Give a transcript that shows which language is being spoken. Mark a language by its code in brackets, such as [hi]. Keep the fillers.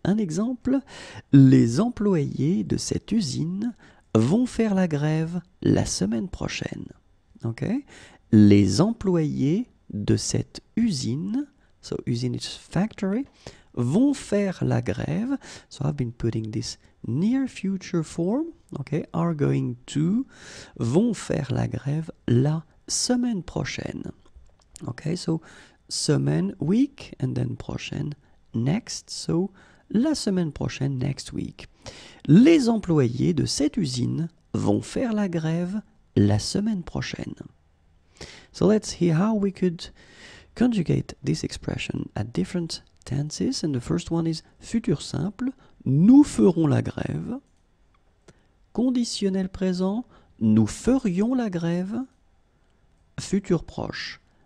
[fr] Un exemple, les employés de cette usine vont faire la grève la semaine prochaine. Okay? Les employés de cette usine, so usine [en] is factory, [fr] vont faire la grève. [en] So I've been putting this near future form. [fr] Okay, [en] are going to, [fr] vont faire la grève la semaine prochaine. [en] Okay, so semaine, week, and then prochaine, next. So [fr] la semaine prochaine, [en] next week. [fr] Les employés de cette usine vont faire la grève la semaine prochaine. [en] So let's see how we could conjugate this expression at different et And the first one futur simple. [fr] Nous ferons la grève. Conditionnel présent. Nous ferions la grève. Futur proche.